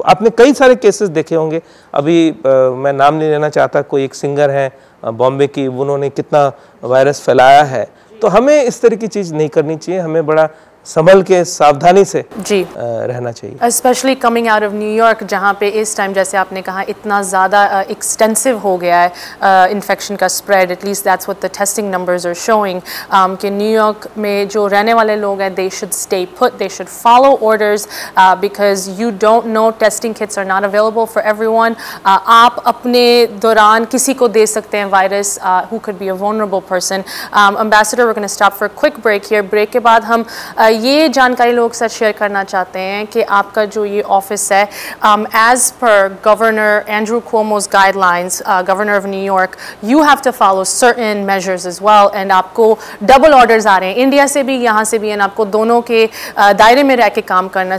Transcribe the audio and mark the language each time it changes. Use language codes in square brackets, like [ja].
[hi] आपने कई सारे केसेस देखे होंगे. अभी मैं नाम नहीं लेना चाहता, कोई एक सिंगर है बॉम्बे की, उन्होंने कितना वायरस फैलाया है. तो हमें इस तरह की चीज़ नहीं करनी चाहिए. हमें बड़ा संभल के सावधानी से जी रहना चाहिए, [en] especially coming out of New York, [hi] जहाँ पे इस टाइम जैसे आपने कहा इतना ज़्यादा extensive हो गया है infection का spread. [en] At least that's what the testing numbers are showing. [hi] कि New York में जो रहने वाले लोग हैं, [en] they should stay put, they should follow orders, because you don't know, testing kits are not available for everyone. [hi] आप अपने दौरान किसी को दे सकते हैं virus, [en] who could be a vulnerable person. Ambassador, we're going to stop for a quick break here. [hi] Break के बाद हम ये जानकारी लोगों के साथ शेयर करना चाहते हैं कि आपका जो ये ऑफिस है, [en] as पर governor Andrew Cuomo's guidelines, [hi] governor of New York, [en] You have to follow certain measures as well. [hi] And आपको डबल ऑर्डर्स आ रहे हैं इंडिया से भी, यहाँ से भी, एंड आपको दोनों के दायरे में रह के काम करना है.